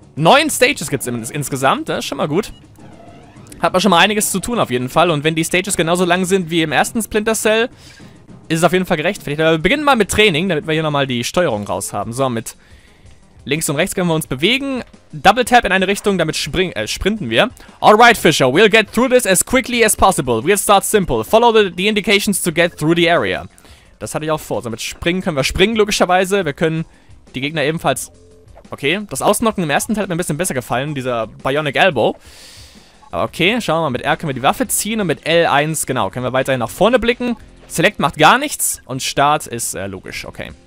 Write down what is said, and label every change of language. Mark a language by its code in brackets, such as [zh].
[de] 9 Stages gibt es insgesamt. Das ist schon mal gut. Hat man schon mal einiges zu tun auf jeden Fall. Und wenn die Stages genauso lang sind wie im ersten Splinter Cell, ist es auf jeden Fall gerechtfertigt. Aber wir beginnen mal mit Training, damit wir hier nochmal die Steuerung raus haben. So, mit links und rechts können wir uns bewegen. Double Tap in eine Richtung, damit sprinten wir. [en] Alright, Fischer, we'll get through this as quickly as possible. We'll start simple. Follow the indications to get through the area. [de] Das hatte ich auch vor. So, mit Springen können wir springen, logischerweise. Wir können die Gegner ebenfalls... Okay, das Ausknocken im ersten Teil hat mir ein bisschen besser gefallen, dieser Bionic Elbow. Aber okay, schauen wir mal. Mit R können wir die Waffe ziehen und mit L1, genau, können wir weiterhin nach vorne blicken. Select macht gar nichts und Start ist logisch, okay.